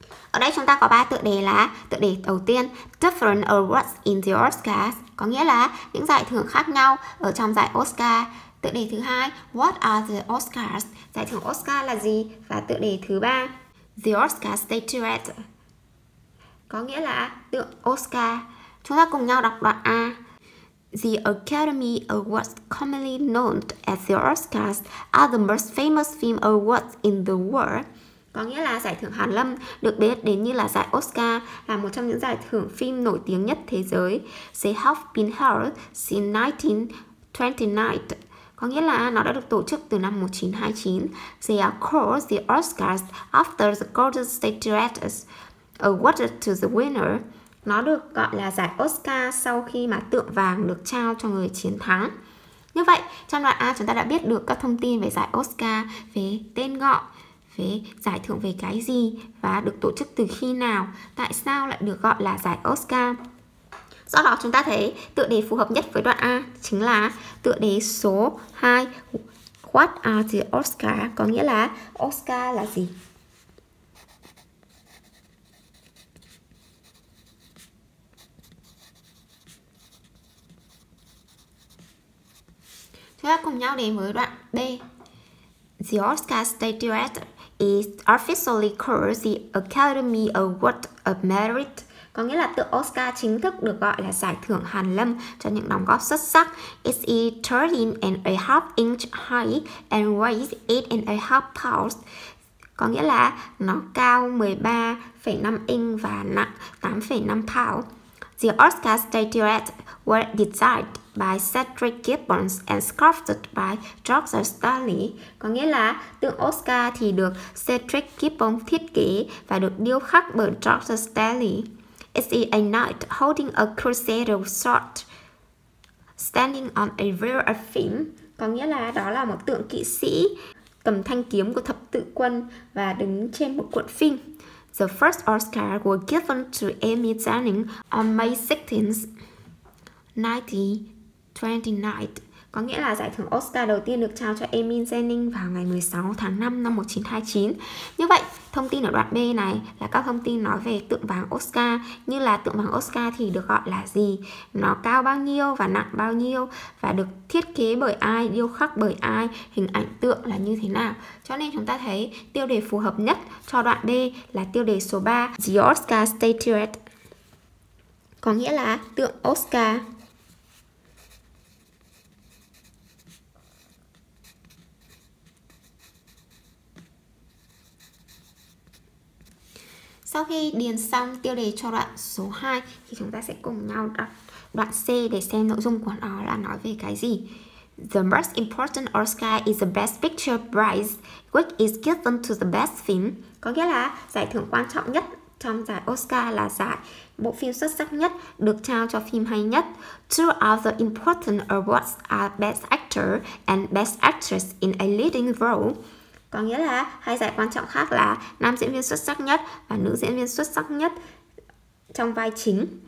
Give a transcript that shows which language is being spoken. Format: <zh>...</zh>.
<vi>Ở đây chúng ta có 3 tựa đề là tựa đề đầu tiên</vi> <en>Different Awards in the Oscars,</en> <vi>có nghĩa là những giải thưởng khác nhau ở trong giải Oscar. Tựa đề thứ hai</vi> <en>What are the Oscars?</en> <vi>Giải thưởng Oscar là gì? Và tựa đề thứ ba</vi> <en>The Oscar Statuette,</en> <vi>có nghĩa là tượng Oscar. Chúng ta cùng nhau đọc đoạn A.</vi> <en>The Academy Awards, commonly known as the Oscars, are the most famous film awards in the world.</en> <vi>Có nghĩa là giải thưởng Hàn Lâm được biết đến như là giải Oscar, là một trong những giải thưởng phim nổi tiếng nhất thế giới.</vi> <en>They have been held since 1929.</en> <vi>Có nghĩa là nó đã được tổ chức từ năm 1929.</vi> <en>They are called the Oscars after the Golden Statuette awarded to the winner.</en> <vi>Nó được gọi là giải Oscar sau khi mà tượng vàng được trao cho người chiến thắng. Như vậy, trong đoạn A chúng ta đã biết được các thông tin về giải Oscar, về tên gọi, về giải thưởng về cái gì và được tổ chức từ khi nào, tại sao lại được gọi là giải Oscar. Do đó chúng ta thấy tựa đề phù hợp nhất với đoạn A chính là tựa đề số 2</vi> <en>What are the Oscar,</en> <vi>có nghĩa là Oscar là gì. Chúng ta cùng nhau đến với đoạn B.</vi> <en>The Oscar Statuette is officially called the Academy Award of Merit.</en> <vi>Có nghĩa là tượng Oscar chính thức được gọi là giải thưởng Hàn Lâm cho những đóng góp xuất sắc.</vi> <en>It is 13.5 inches high and weighs 8.5 pounds.</en> <vi>Có nghĩa là nó cao 13.5 inch và nặng 8.5 pounds.</vi> <en>The Oscar statuette was designed by Cedric Gibbons and sculpted by George Stanley.</en> <vi>Có nghĩa là tượng Oscar thì được Cedric Gibbons thiết kế và được điêu khắc bởi George Stanley.</vi> <en>It is a knight holding a crusader sword standing on a rear of fame.</en> <vi>Có nghĩa là đó là một tượng kỵ sĩ cầm thanh kiếm của thập tự quân và đứng trên một cuộn phim.</vi> <en>The first Oscar was given to Amy Jennings on May 16, 1929.</en> <vi>Có nghĩa là giải thưởng Oscar đầu tiên được trao cho Amy Jennings vào ngày 16 tháng 5 năm 1929. Như vậy, thông tin ở đoạn B này là các thông tin nói về tượng vàng Oscar, như là tượng vàng Oscar thì được gọi là gì, nó cao bao nhiêu và nặng bao nhiêu, và được thiết kế bởi ai, điêu khắc bởi ai, hình ảnh tượng là như thế nào. Cho nên chúng ta thấy tiêu đề phù hợp nhất cho đoạn B là tiêu đề số 3,</vi> <en>The Oscar Statuette,</en> <vi>có nghĩa là tượng Oscar. Sau khi điền xong tiêu đề cho đoạn số 2 thì chúng ta sẽ cùng nhau đọc đoạn C để xem nội dung của nó là nói về cái gì.</vi> <en>The most important Oscar is the Best Picture Prize, which is given to the best film.</en> <vi>Có nghĩa là giải thưởng quan trọng nhất trong giải Oscar là giải bộ phim xuất sắc nhất được trao cho phim hay nhất.</vi> <en>Two other important awards are Best Actor and Best Actress in a Leading Role.</en> <vi>Có nghĩa là hai giải quan trọng khác là nam diễn viên xuất sắc nhất và nữ diễn viên xuất sắc nhất trong vai chính.</vi>